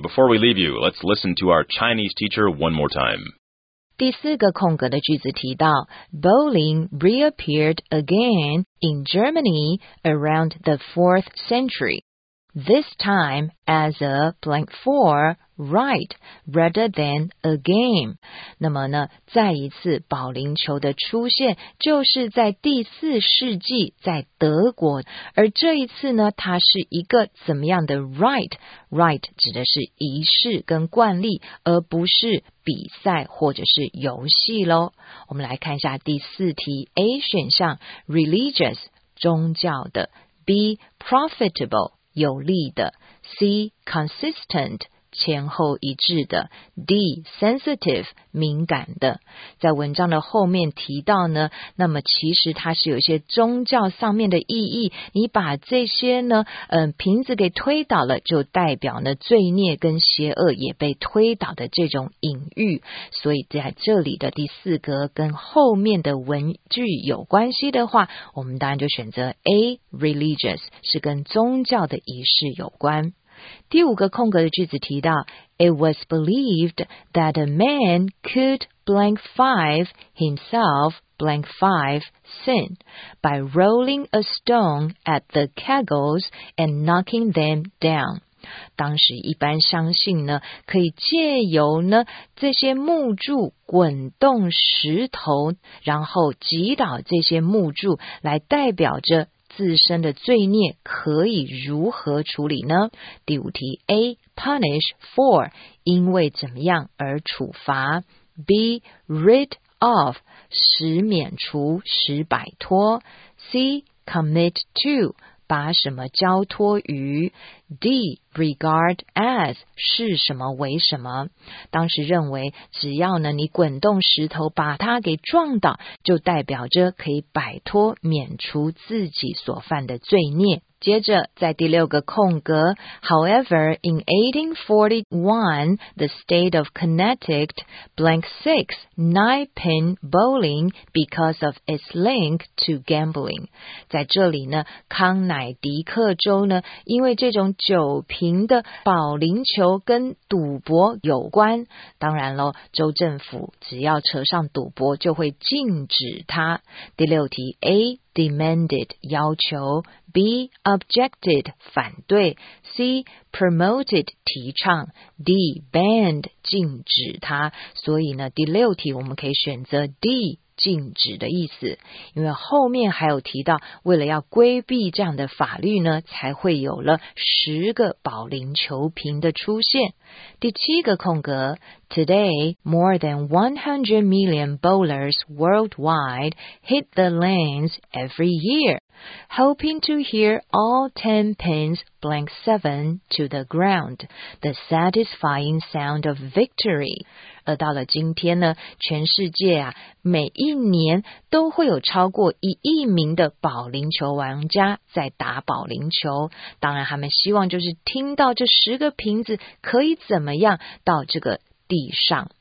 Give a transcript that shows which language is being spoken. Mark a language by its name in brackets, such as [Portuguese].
[English] Before we leave you, let's listen to our Chinese teacher one more time. [Chinese] 第四个空格的句子提到 [English] Bowling reappeared again in Germany around the 4th century. This time as a blank for right rather than a game. [Chinese] 那么呢，再一次保龄球的出现就是在第四世纪在德国，而这一次呢，它是一个怎么样的 right? Right 指的是仪式跟惯例，而不是比赛或者是游戏咯。我们来看一下第四题 A 选项 religious 宗教的 B profitable有利的 ，C consistent 前后一致的 ，D sensitive 敏感的，在文章的后面提到呢，那么其实它是有一些宗教上面的意义。你把这些呢，瓶子给推倒了，就代表呢罪孽跟邪恶也被推倒的这种隐喻。所以在这里的第四格跟后面的文句有关系的话，我们当然就选择 A。 Religious 是跟宗教的仪式有关。第五个空格的句子提到 [English] It was believed that a man could blank five himself blank five sin by rolling a stone at the kegels and knocking them down。 [Chinese] 当时一般相信呢，可以借由呢这些木柱滚动石头，然后击倒这些木柱，来代表着自身的罪孽可以如何处理呢？第五题 A. Punish for 因为怎么样而处罚 B. Rid of 使免除使摆脱 C. Commit to 把什么交托于 D. Regard as 视什么为什么。当时认为只要呢你滚动石头把它给撞倒，就代表着可以摆脱免除自己所犯的罪孽。接着在第六个空格 [English] However, in 1841, the state of Connecticut blank six nine-pin bowling because of its link to gambling. [Chinese] 在这里呢，康乃狄克州呢，因为这种九瓶的保龄球跟赌博有关，当然咯，州政府只要扯上赌博就会禁止它。第六题 A demanded 要求 B objected 反对 C promoted 提倡 D banned 禁止它。所以呢，第六题我们可以选择 D禁止的意思，因为后面还有提到为了要规避这样的法律呢，才会有了十个保龄球瓶的出现。第七个空格 [English] Today, more than 100 million bowlers worldwide hit the lanes every year, hoping to hear all 10 pins blank 7 to the ground, the satisfying sound of victory. [Chinese] 而到了今天呢，全世界啊，每一年都会有超过1亿名的保龄球玩家在打保龄球，当然他们希望就是听到这十个瓶子可以怎么样到这个地上。